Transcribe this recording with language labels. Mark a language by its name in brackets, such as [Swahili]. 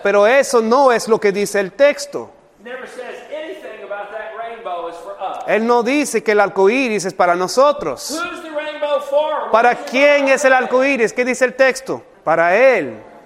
[Spanish] Pero eso no es lo que dice el texto. [English] Never says anything about that rainbow is for us. [Spanish] Él no dice que el arco iris es para nosotros. [English] Who's the rainbow for? [Spanish] ¿Para quién es el arco iris? ¿Qué dice el texto? Para él.